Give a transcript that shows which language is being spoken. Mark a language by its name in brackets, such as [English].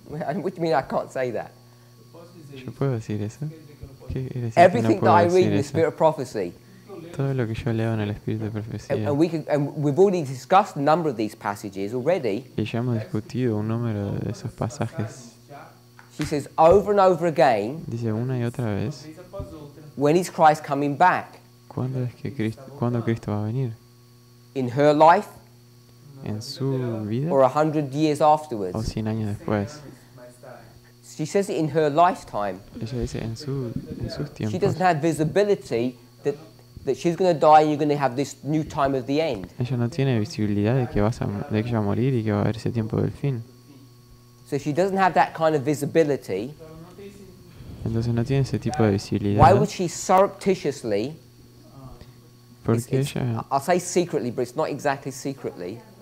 [English] What do you mean I can't say that? [Spanish] Yo puedo decir eso. [English] Everything that I read in the spirit of prophecy. [Spanish] Todo lo que yo leo en el espíritu de profecía. [English] And we could, and we've already discussed a number of these passages already. [Spanish] Y ya hemos discutido un número de esos pasajes. [English] She says over and over again. [Spanish] Dice una y otra vez. [English] When is Christ coming back? [Spanish] ¿Cuándo es que Cristo va a venir? [English] In her life. [Spanish] En su vida. [English] Or 100 years afterwards. [Spanish] O 100 años después. [English] She says it in her lifetime. [Spanish] Ella dice en sus tiempos. [English] She doesn't have visibility that she's going to die and you're going to have this new time of the end. [Spanish] Ella no tiene visibilidad de que va a morir y que va a haber ese tiempo del fin. [English] So she doesn't have that kind of visibility. [Spanish] Entonces no tiene ese tipo de visibilidad. [English] Why would she surreptitiously? [Spanish] Porque ella. [English] I'll say secretly, but it's not exactly secretly.